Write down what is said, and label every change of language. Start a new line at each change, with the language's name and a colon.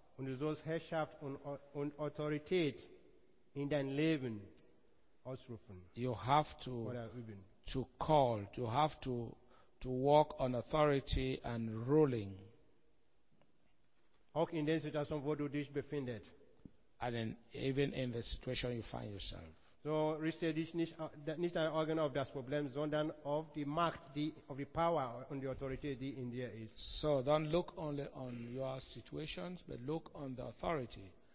German: Und du sollst Herrschaft und Autorität in dein Leben ausrufen.
English: You have to walk on authority and ruling.
German: Auch in der Situation, wo du dich befindest.
English: And then even in the situation you find yourself.
German: So richte dich nicht an Augen auf das Problem, sondern auf die Macht, auf die Power und die Autorität, die in dir ist.
English: So don't look only on your situations, but look on the authority.